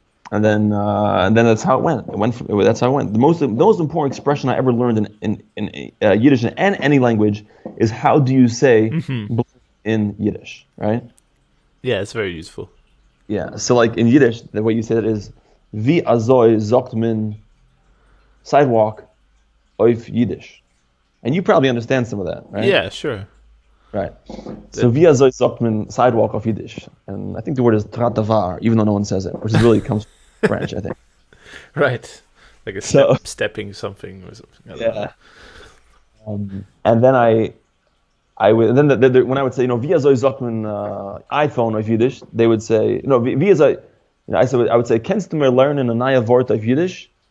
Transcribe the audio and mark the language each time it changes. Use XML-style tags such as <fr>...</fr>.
<en>And then that's how it went. That's how it went. The most important expression I ever learned in Yiddish and any language is how do you say in Yiddish, right? Yeah, it's very useful. Yeah, so like in Yiddish, the way you say it is,</en> <yi>wie azoi zogt man sidewalk auf Yiddish.</yi> <en>And you probably understand some of that, right? Yeah, sure. Right.</en> <yi>So wie azoi zogt man sidewalk auf Yiddish.</yi> <en>And I think the word is tratavar, even though no one says it, which is really comes from French, I think. Right. Like a stepping something or something. Yeah. When I would say, you know,</en> <yi>wie azoi zogt man iPhone auf Yiddish,</yi> <en>they would say, you know,</en> <yi>wie azoi,</yi> <en>you know, I would say,</en> <yi>kennst du mir lernen ein neues Wort auf Yiddish?</yi>